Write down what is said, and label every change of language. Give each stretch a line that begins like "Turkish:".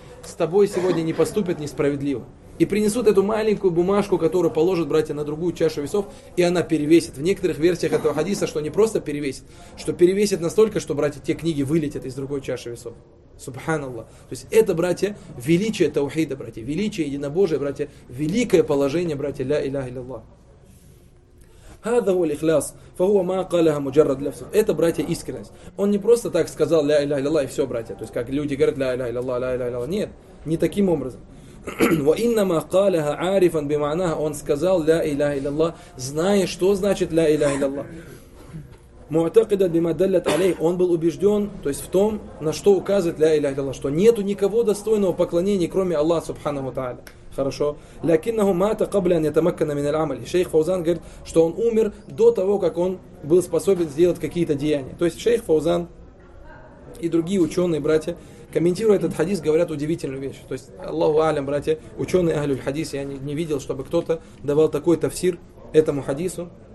Russian: С тобой сегодня не поступят несправедливо. И принесут эту маленькую бумажку, которую положат, братья, на другую чашу весов, и она перевесит. В некоторых версиях этого хадиса, что не просто перевесит, что перевесит настолько, что, братья, те книги вылетят из другой чаши весов. Субханаллах. То есть это, братья, величие таухида, братья, величие единобожия, братья, великое положение, братья, ля иляха илляллах.
Arabic: هذا هو الإخلاص فهو ما قالها مجرد لفظ.
Russian: Это, братья, искренность. Он не просто так сказал ля иляха илляллах и все, братья. То есть как люди говорят ля иляха илляллах, ля иляха илляллах. Нет, не таким образом.
Arabic: وإنما قالها عارفا بمعناها.
Russian: Он сказал ля иляха илляллах, зная, что значит ля иляха илляллах.
Arabic: معتقدا بما دلت عليه.
Russian: Он был убежден, то есть в том, на что указывает ля иляха илляллах, что нету никого достойного поклонения, кроме Аллаха субханаху ва тааля. Хорошо.
Arabic: لكنه مات قبل ان يتمكن من العمل.
Russian: Шейх Фаузан говорит, что он умер до того, как он был способен сделать какие-то деяния. То есть шейх Фаузан и другие ученые, братья, комментируя этот хадис, говорят удивительную вещь. То есть Аллаху алям, братья, ученые ахлюль хадис, я не видел, чтобы кто-то давал такой тафсир этому хадису.